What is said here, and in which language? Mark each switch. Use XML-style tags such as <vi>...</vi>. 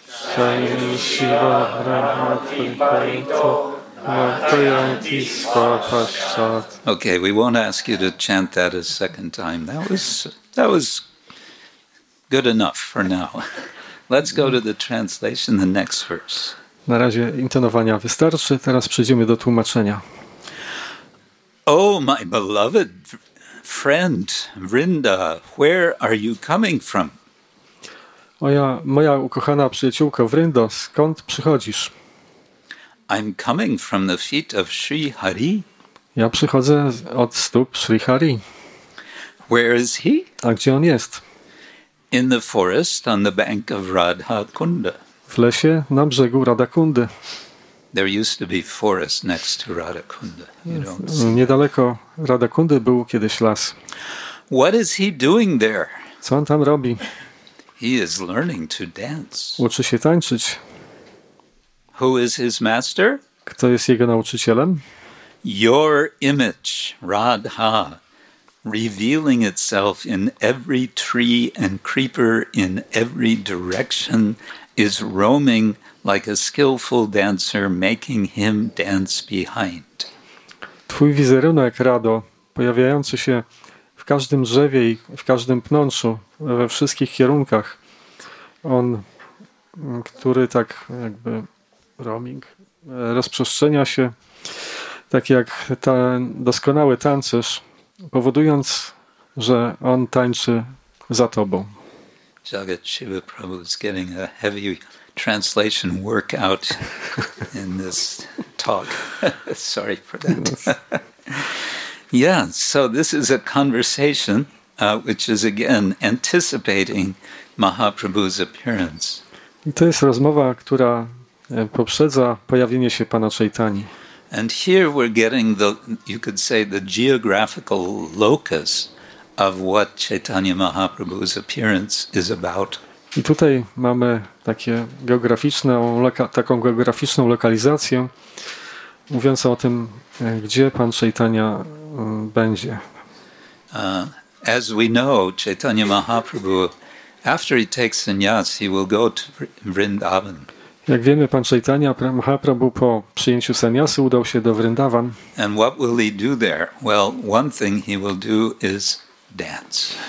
<sa>Shailu Shiva Brahmati Parito Nartayanti Svapaschat.</sa> <en>Okay, we won't ask you to chant that a second time. That was good enough for now. Let's go to the translation, the next verse.</en> <pl>Na razie intonowania wystarczy, teraz przejdziemy do tłumaczenia.</pl> <en>Oh, my beloved friend, Vrinda, where are you coming from?</en> <pl>Moja ukochana przyjaciółka Vrindo, skąd przychodzisz?</pl> <en>I'm coming from the feet of Sri Hari.</en> <pl>Ja przychodzę od stóp Sri Hari.</pl> <en>Where is he?</en> <pl>A gdzie on jest?</pl> <en>In the forest on the bank of Radha Kunda.</en> <pl>W lesie na brzegu Radha Kundy.</pl> <en>There used to be forest next to Radha Kunda.</en> <pl>Niedaleko Radha Kundy był kiedyś las.</pl> <en>What is he doing there?</en> <pl>Co on tam robi?</pl> <en>He is learning to dance.</en> <pl>Uczy się tańczyć.</pl> <en>Who is his master?</en> <pl>Kto jest jego nauczycielem?</pl> <en>Your image, Radha. Revealing itself in every tree and creeper in every direction is roaming like a skillful dancer making him dance behind.</en> <pl>Twój wizerunek, Rado, pojawiający się w każdym drzewie i w każdym pnączu, we wszystkich kierunkach, on, który tak jakby roaming, rozprzestrzenia się, tak jak ten doskonały tancerz, powodując, że on tańczy za tobą.</pl> <en>Jagat Shiva Prabhu is getting a heavy translation workout in this talk. Sorry for that. Yeah, so this is a conversation which is again anticipating Mahaprabhu's appearance.</en> <pl>To jest rozmowa, która poprzedza pojawienie się Pana Chaitanyi.</pl> <en>And here we're getting the geographical locus of what Chaitanya Mahaprabhu's appearance is about.</en> <pl>I tutaj mamy takie geograficzną, taką geograficzną lokalizację, mówiąc o tym, gdzie Pan Chaitanya będzie.</pl> <en>As we know, Chaitanya Mahaprabhu, after he takes sannyas, he will go to Vrindavan.</en> <pl>Jak wiemy, Pan Chaitanya Mahaprabhu po przyjęciu sannyasy udał się do Vrindavan.</pl> <en>And what will he do there? Well, one thing he will do is dance.</en>